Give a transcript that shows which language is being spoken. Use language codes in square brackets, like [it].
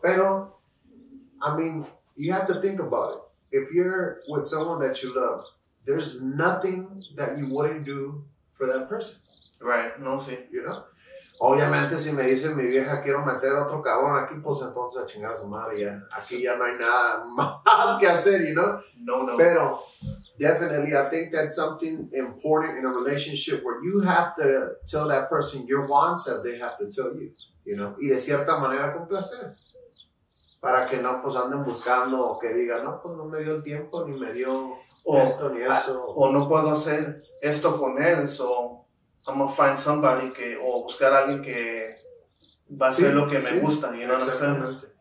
[es] Pero, [en] I mean, you have to think about it. If you're with someone that you love, there's nothing that you wouldn't do for that person. Right, [es] no, sí. [en] You know? [es] Obviamente, si me dice mi vieja, quiero meter otro cabrón aquí, pues entonces a chingar a su madre, ya. Así ya no hay nada más que hacer, [en] you know? [es] No. Pero, [en] definitely, I think that's something important in a relationship where you have to tell that person your wants as they have to tell you, you know? [es] Y de cierta manera complacer. Para que no, pues anden buscando o que digan, no, pues no me dio el tiempo, ni me dio esto, ni eso. O no puedo hacer esto con él, [en] so... I'm gonna find somebody [es] que, o buscar a alguien que va a ser lo que me gusta, [en] you know what I'm saying?